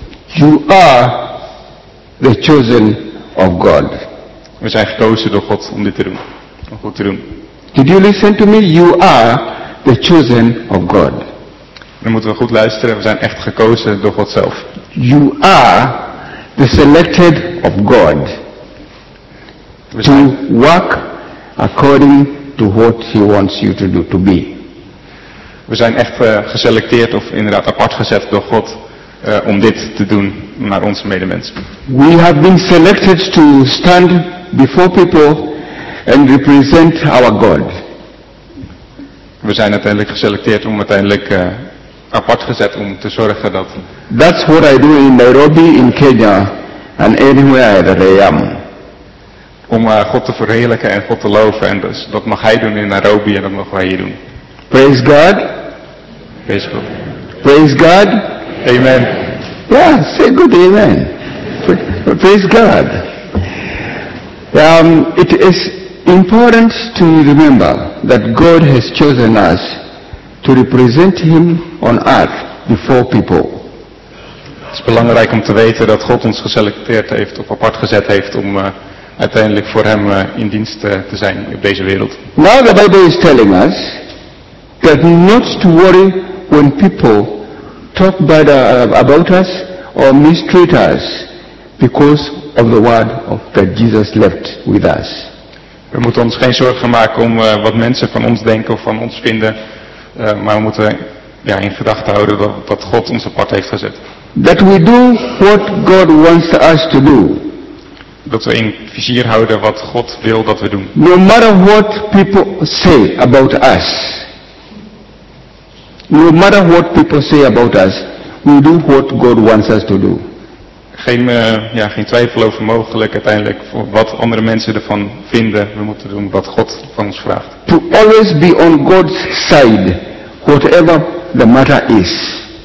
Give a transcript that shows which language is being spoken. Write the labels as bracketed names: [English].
[English] You are the chosen of God. [Dutch] We zijn gekozen door God om dit te doen, om goed te doen. [English] Did you listen to me? You are the chosen of God. [Dutch] Dan moeten we goed luisteren. We zijn echt gekozen door God zelf. [English] You are the selected of God. To work according to what He wants you to do, to be. [Dutch] We zijn echt geselecteerd of inderdaad apart gezet door God om dit te doen naar onze medemens. [English] We have been selected to stand before people and represent our God. [Dutch] We zijn uiteindelijk geselecteerd om uiteindelijk apart gezet om te zorgen dat. [English] That's what I do in Nairobi, in Kenya, and anywhere that I am. [Dutch] Om God te verheerlijken en God te loven en dus, dat mag Hij doen in Nairobi en dat mogen wij hier doen. [English] Praise God. Praise God. Praise God. Amen. Yeah, say good amen. Praise God. It is important to remember that God has chosen us to represent Him on earth before people. [Dutch] Het is belangrijk om te weten dat God ons geselecteerd heeft of apart gezet heeft om uiteindelijk voor Hem in dienst te zijn op deze wereld. [English] Now the Bible is telling us that not to worry when people talk bad about us or mistreat us because of the word of that Jesus left with us. [Dutch] We moeten ons geen zorgen maken om wat mensen van ons denken of van ons vinden, maar we moeten in gedachten houden dat God ons apart heeft gezet. [English] That we do what God wants us to do. [Dutch] Dat we in vizier houden wat God wil dat we doen. [English] No matter what people say about us. No matter what people say about us, we do what God wants us to do. [Dutch] Geen twijfel over mogelijk uiteindelijk wat andere mensen ervan vinden. We moeten doen wat God van ons vraagt. [English] To always be on God's side, whatever the matter is.